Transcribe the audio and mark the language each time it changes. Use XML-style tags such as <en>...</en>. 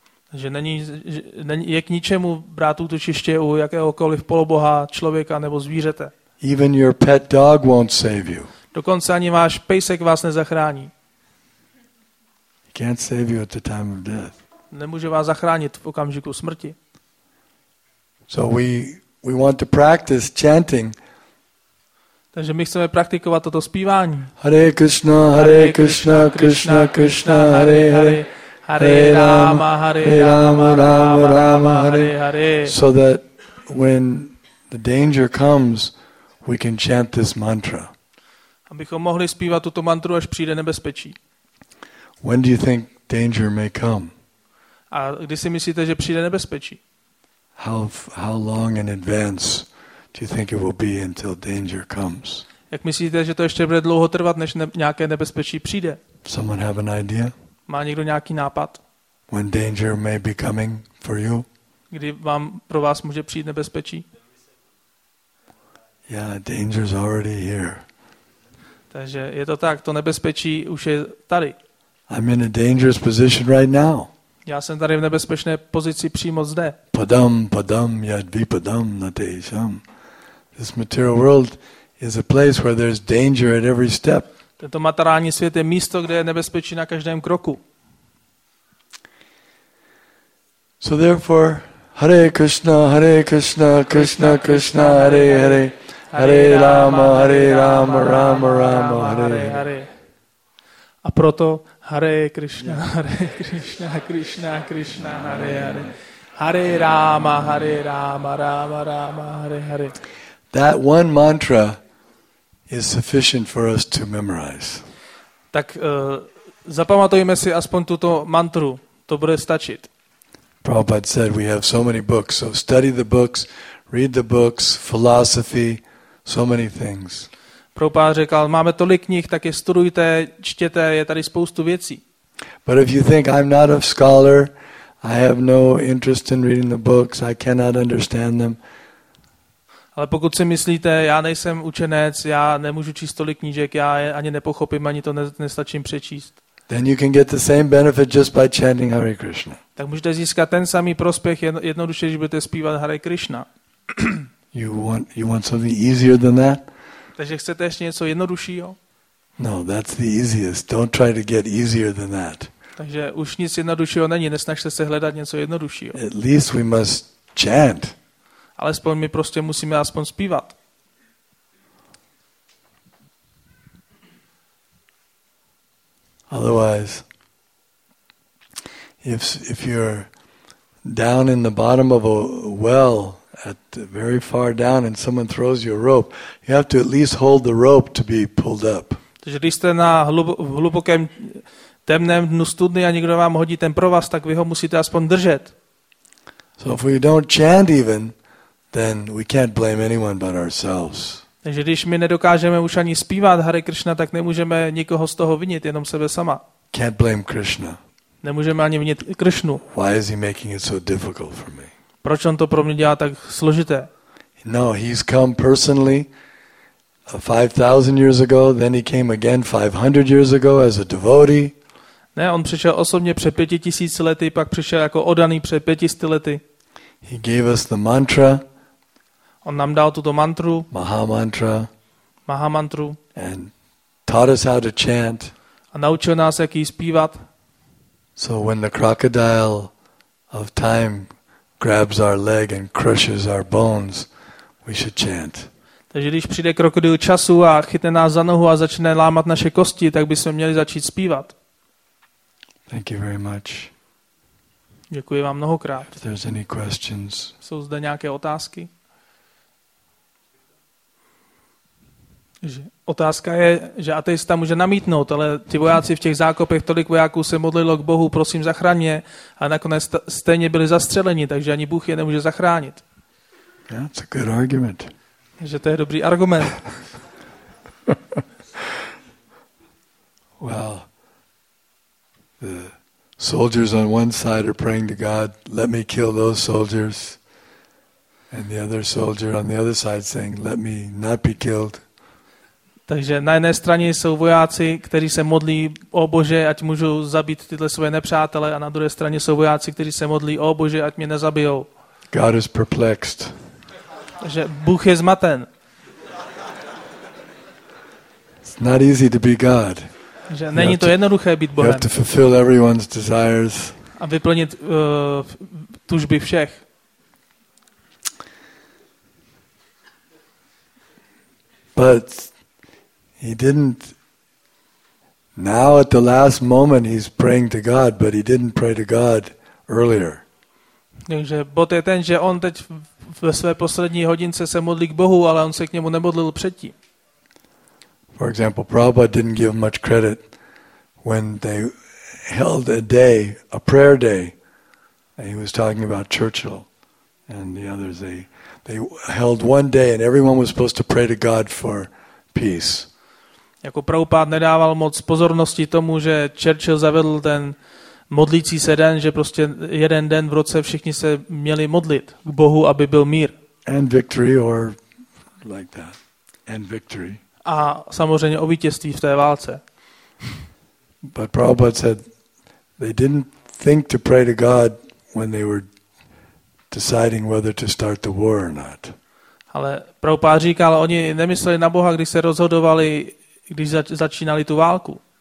<cs>Takže není je k ničemu brát útočiště u jakéhokoliv poloboha, člověka nebo zvířete.</cs> <en>Even your pet dog won't save you.</en> <cs>Dokonce ani váš pejsek vás nezachrání.</cs> <en>He can't save you at the time of death.</en> <cs>Nemůže vás zachránit v okamžiku smrti.</cs> <en>So we want to practice chanting.</en> <cs>Takže my chceme praktikovat toto zpívání.</cs> <sa>Hare Krishna, Hare Krishna, Krishna Krishna, Hare Hare. Hare Rama, Hare Rama, Rama Rama, Hare Hare.</sa> <en>So that when the danger comes, we can chant this mantra.</en> <cs>Abychom mohli zpívat tuto mantru, až přijde nebezpečí.</cs> <en>When do you think danger may come?</en> <cs>A kdy si myslíte, že přijde nebezpečí?</cs> <en>How long in advance do you think it will be until danger comes?</en> <cs>Jak myslíte, že to ještě bude dlouho trvat, než nějaké nebezpečí přijde?</cs> <en>Someone have an idea?</en> <cs>Má někdo nějaký nápad?</cs> <en>When danger may be coming for you?</en> <cs>Kdy vám pro vás může přijít nebezpečí?</cs> <en>Yeah, danger is already here.</en> <cs>Takže je to tak, to nebezpečí už je tady.</cs> <en>I'm in a dangerous position right now.</en> <cs>Já jsem tady v nebezpečné pozici přímo zde.</cs> <sa>Padam, padam, yadvi padam, natesham.</sa> <en>This material world is a place where there's danger at every step.</en> <cs>Tento materiální svět je místo, kde je nebezpečí na každém kroku.</cs> <en>So therefore, Hare Krishna, Hare Krishna, Krishna Krishna, Hare Hare, Hare Rama, Hare Rama, Rama Rama, Hare Hare.</en> <cs>A proto Hare Krishna, Krishna Krishna, Hare Hare. Hare Rama, Rama Rama, Hare Hare.</cs> <en>That one mantra is sufficient for us to memorize.</en> <cs>Tak zapamatujeme si aspoň tuto mantru. To bude stačit.</cs> <en>Prabhupada said we have so many books, so study the books, read the books, philosophy, so many things.</en> <cs>Prabhupada řekl, máme tolik knih, tak je studujte, čtěte, je tady spoustu věcí.</cs> <en>But if you think I'm not a scholar, I have no interest in reading the books, I cannot understand them.</en> <cs>Ale pokud si myslíte, já nejsem učenec, já nemůžu číst tolik knížek, já je ani nepochopím, ani to nestačím přečíst.</cs> <en>Then you can get the same benefit just by chanting Hare Krishna.</en> <cs>Tak můžete získat ten samý prospěch jednoduše, když budete zpívat Hare Krishna.</cs> <en>You want something easier than that?</en> <cs>Takže chcete ještě něco jednoduššího?</cs> <en>No, that's the easiest. Don't try to get easier than that.</en> <cs>Takže už nic jednoduššího není, nesnažte se hledat něco jednoduššího.</cs> <en>At least we must chant.</en> <cs>Alespoň my prostě musíme aspoň zpívat.</cs> <en>Otherwise, if you're down in the bottom of a well, at very far down, and someone throws you a rope, you have to at least hold the rope to be pulled up.</en> <cs>Takže když jste na hlubokém temném dnu studny a někdo vám hodí ten provaz, tak vy ho musíte aspoň držet.</cs> <en>So if we don't chant even, then we can't blame anyone but ourselves.</en> <cs>Takže když my nedokážeme už ani zpívat Hare Krishna, tak nemůžeme nikoho z toho vinit, jenom sebe sama.</cs> <en>Can't blame Krishna.</en> <cs>Nemůžeme ani vinit Krishnu.</cs> <en>Why is he making it so difficult for me?</en> <cs>Proč on to pro mě dělá tak složité?</cs> <en>No, he's come personally 5000 years ago, then he came again 500 years ago as a devotee.</en> <cs>Ne, on přišel osobně před 5000 lety, pak přišel jako oddaný před 500 lety.</cs> <en>He gave us the mantra.</en> <cs>On nám dal tuto mantru.</cs> <en>Mahamantra.</en> <cs>Mahamantru.</cs> <en>And taught us how to chant.</en> <cs>A naučil nás, jak ji zpívat.</cs> <en>So when the crocodile of time grabs our leg and crushes our bones, we should chant.</en> <cs>Takže když přijde krokodýl času a chytne nás za nohu a začne lámat naše kosti, tak bychom měli začít zpívat.</cs> <en>Thank you very much.</en> <cs>Děkuji vám mnohokrát.</cs> <en>If there's any questions.</en> <cs>Jsou zde nějaké otázky? Otázka je, že ateista může namítnout, ale ti vojáci v těch zákopech, tolik vojáků se modlilo k Bohu, prosím, zachraň mě, a nakonec stejně byli zastřeleni, takže ani Bůh je nemůže zachránit.</cs> <en>That's a good argument.</en> <cs>Že to je dobrý argument.</cs> <en>Well, the soldiers on one side are praying to God, let me kill those soldiers. And the other soldier on the other side saying, let me not be killed.</en> <cs>Takže na jedné straně jsou vojáci, kteří se modlí, o Bože, ať můžu zabít tyhle svoje nepřátele, a na druhé straně jsou vojáci, kteří se modlí, o Bože, ať mě nezabijou.</cs> <en>God is perplexed.</en> <cs>Že Bůh je zmaten.</cs> <en>It's not easy to be God.</en> <cs>Že není to jednoduché být Bohem.</cs> <en>You have to fulfill everyone's desires.</en> <cs>A vyplnit tužby všech.</cs> <en>But he didn't. Now at the last moment he's praying to God, but he didn't pray to God earlier.</en> <cs>Takže bod je ten, že on teď ve své poslední hodince se modlí k Bohu, ale on se k němu nemodlil předtím.</cs> <en>For example, Prabhupada didn't give much credit when they held a day, a prayer day, and he was talking about Churchill and the others. They held one day, and everyone was supposed to pray to God for peace.</en> <cs>Jako Prabhupád nedával moc pozornosti tomu, že Churchill zavedl ten modlící se den, že prostě jeden den v roce všichni se měli modlit k Bohu, aby byl mír.</cs> <en>And victory or like that. And victory.</en> <cs>A samozřejmě o vítězství v té válce.</cs> <en>But Prabhupád said they didn't think to pray to God when they were deciding whether to start the war or not.</en> <cs>Ale Prabhupád říkal, oni nemysleli na Boha, když se rozhodovali, když začínali tu válku.</cs>